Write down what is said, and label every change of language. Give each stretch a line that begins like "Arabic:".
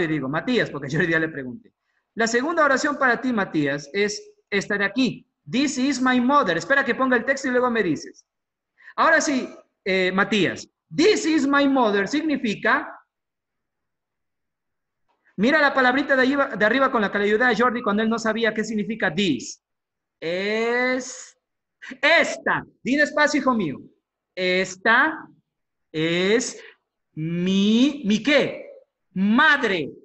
Spanish: Matías, porque Jordi ya le pregunté. La segunda oración para ti, Matías, es esta de aquí.
English: This is my mother.
Spanish: Espera que ponga el texto y luego me dices. Ahora sí, Matías.
English: This is my mother
Spanish: significa... Mira la palabrita de arriba con la que le ayudé a Jordi cuando él no sabía qué significa this. Es esta. Dile despacio, hijo mío. Esta es mi qué. Madre.